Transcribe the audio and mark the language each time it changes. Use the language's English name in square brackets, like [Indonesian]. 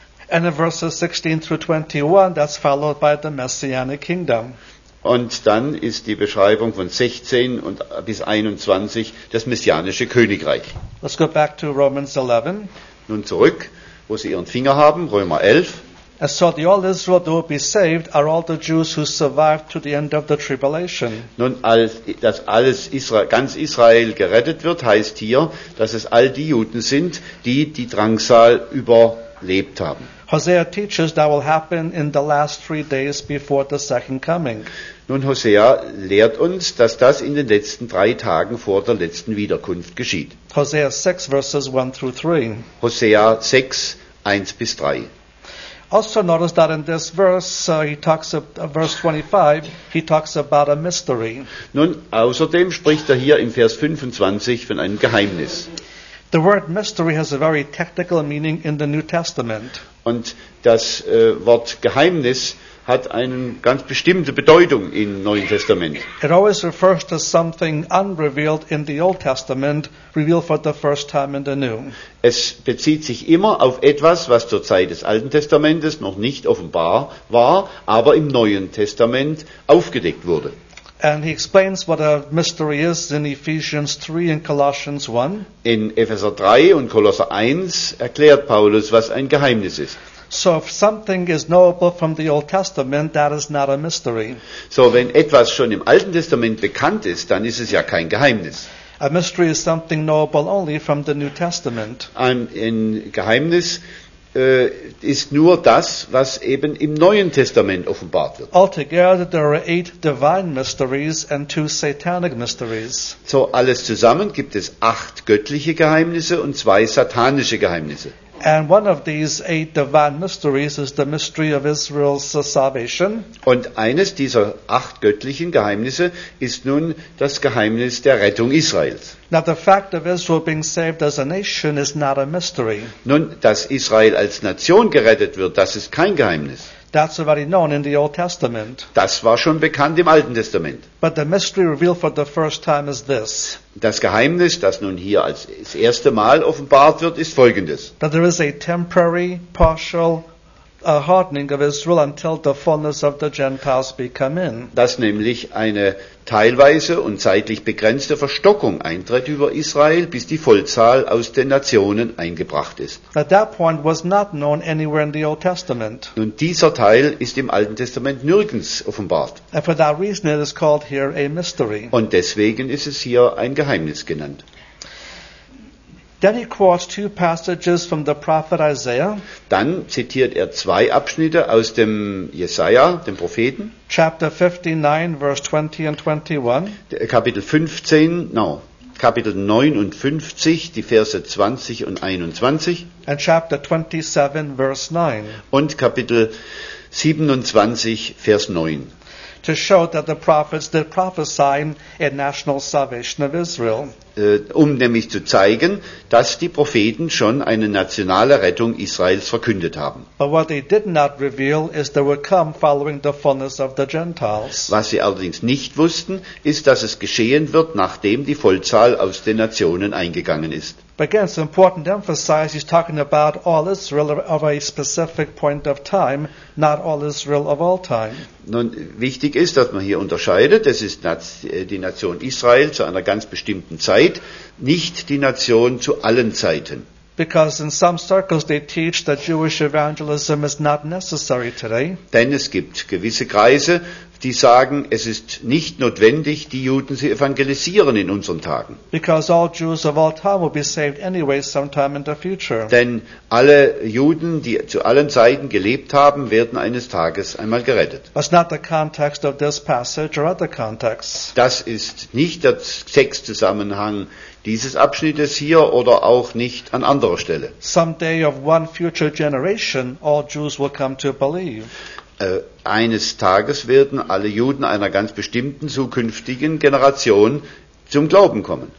[English] And in verses 16-21, that's followed by the Messianic Kingdom. [German] Und dann ist die Beschreibung von 16 und bis 21 das messianische Königreich. [English] Let's go back to Romans 11. [German] Nun zurück, wo Sie Ihren Finger haben, Römer 11. [English] And so the all Israel that will be saved are all the Jews who survived to the end of the tribulation. [German] Nun, dass alles ganz Israel gerettet wird, heißt hier, dass es all die Juden sind, die Drangsal überlebt haben. [English] Hosea teaches that will happen in the last 3 days before the second coming. [German] Nun, Hosea lehrt uns, dass das in den letzten 3 Tagen vor der letzten Wiederkunft geschieht. [English] Hosea 6 verses 1-3. [German] Hosea 6, 1-3. [English] Also notice that in this verse, he talks of, verse 25, he talks about a mystery. [German] Nun, außerdem spricht hier im Vers 25 von einem Geheimnis. [English] The word mystery has a very technical meaning in the New Testament. [German] Und das Wort Geheimnis hat eine ganz bestimmte Bedeutung im Neuen Testament. [English] It always refers to something unrevealed in the Old Testament, revealed for the first time in the New. [German] Es bezieht sich immer auf etwas, was zur Zeit des Alten Testamentes noch nicht offenbar war, aber im Neuen Testament aufgedeckt wurde. [English] And he explains what a mystery is in Ephesians 3 and Colossians 1. [German] In Epheser 3 und Kolosser 1 erklärt Paulus, was ein Geheimnis ist. [English] So if something is knowable from the Old Testament, that is not a mystery. [German] So wenn etwas schon im Alten Testament bekannt ist, dann ist es ja kein Geheimnis. [English] A mystery is something knowable only from the New Testament. [German] Ein Geheimnis ist nur das, was eben im Neuen Testament offenbart wird. [English] Altogether there are 8 divine mysteries and 2 satanic mysteries. [German] So alles zusammen gibt es 8 göttliche Geheimnisse und 2 satanische Geheimnisse. [English] And one of these 8 divine mysteries is the mystery of Israel's salvation. [German] Und eines dieser 8 göttlichen Geheimnisse ist nun das Geheimnis der Rettung Israels. [English] Now the fact of Israel being saved as a nation is not a mystery. [German] Nun, dass Israel als Nation gerettet wird, das ist kein Geheimnis. [English] That's already known in the Old Testament. [German] Das war schon bekannt im Alten Testament. [English] But the mystery revealed for the first time is this. [German] Das Geheimnis, das nun hier als das erste Mal offenbart wird, ist folgendes. [English] That there is a temporary, partial hardening of Israel until the fullness of the Gentiles be come in. [German] Dass nämlich eine teilweise und zeitlich begrenzte Verstockung eintritt über Israel, bis die Vollzahl aus den Nationen eingebracht ist. [English] At that point was not known anywhere in the Old Testament. [German] Und dieser Teil ist im Alten Testament nirgends offenbart. [English] And for that reason it is called here a mystery. [German] Und deswegen ist es hier ein Geheimnis genannt. [English] Then he quotes two passages from the prophet Isaiah. [German] Dann zitiert zwei Abschnitte aus dem Jesaja, dem Propheten. [English] Chapter 59, verse 20 and 21. [German] Kapitel 59, die Verse 20 und 21. [English] And chapter 27, verse 9. [German] Und Kapitel 27, Vers 9. [English] To show that the prophets did prophesy a national salvation of Israel. [German] Nämlich zu zeigen, dass die Propheten schon eine nationale Rettung Israels verkündet haben. [English] But what they did not reveal is they would come following the fullness of the Gentiles. [German] Was sie allerdings nicht wussten, ist, dass es geschehen wird, nachdem die Vollzahl aus den Nationen eingegangen ist. [English] But again, it's important to emphasize he's talking about all Israel of a specific point of time, not all Israel of all time. [German] Nun, wichtig ist, dass man hier unterscheidet, es ist die Nation Israel zu einer ganz bestimmten Zeit, nicht die Nation zu allen Zeiten. [English] Because in some circles they teach that Jewish evangelism is not necessary today. [German] Denn es gibt gewisse Kreise, die sagen, es ist nicht notwendig, die Juden zu evangelisieren in unseren Tagen. [English] Because all Jews of all time will be saved anyway sometime in the future. [German] Denn alle Juden, die zu allen Zeiten gelebt haben, werden eines Tages einmal gerettet. [English] That's not the context of this passage or other contexts. [German] Das ist nicht der Textzusammenhang dieses Abschnittes hier oder auch nicht an anderer Stelle. [English] Someday of one future generation, all Jews will come to believe. [German] Eines Tages werden alle Juden einer ganz bestimmten zukünftigen Generation zum Glauben kommen.